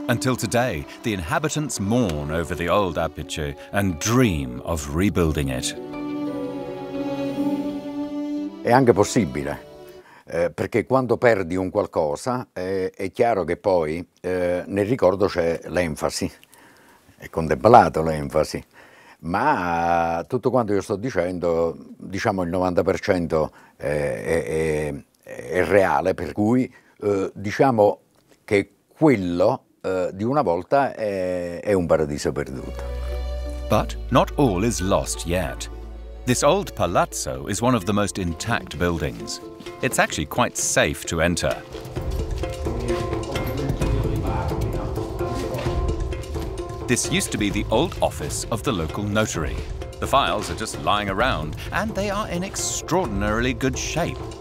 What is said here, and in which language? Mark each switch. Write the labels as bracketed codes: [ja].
[en] Until today, the inhabitants mourn over the old Appice and dream of rebuilding it. [it] È anche possibile, perché quando perdi un qualcosa, è chiaro che poi nel ricordo c'è l'enfasi, è contemplato l'enfasi. Ma tutto quanto io sto dicendo, diciamo il 90% è reale, per cui diciamo che quello di una volta è un paradiso perduto. [en] But not all is lost yet. This old palazzo is one of the most intact buildings. It's actually quite safe to enter. This used to be the old office of the local notary. The files are just lying around, and they are in extraordinarily good shape.